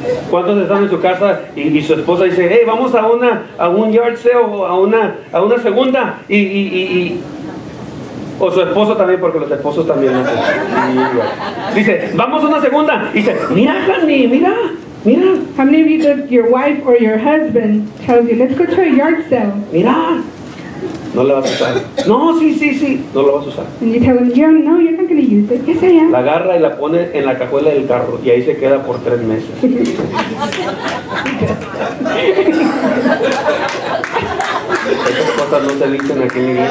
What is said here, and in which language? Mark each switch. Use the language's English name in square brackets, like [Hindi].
[Spanish] ¿Cuántos están en su casa y su esposa dice, hey, vamos a un yard sale o a una segunda y o su esposo también, porque los esposos también hacen. Dice, vamos a una segunda. Y dice, mira, honey, mira. [English] How many of you, that your wife or your husband tells you, let's go to a yard sale. [Spanish] Mira. No le vas a usar. No, sí. No lo vas a usar. [English] And you tell him, yeah, no, you're not going to use it. Yes, I am. [Spanish] La agarra y la pone en la cajuela del carro. Y ahí se queda por 3 meses. Esas cosas no se dicen aquí en inglés.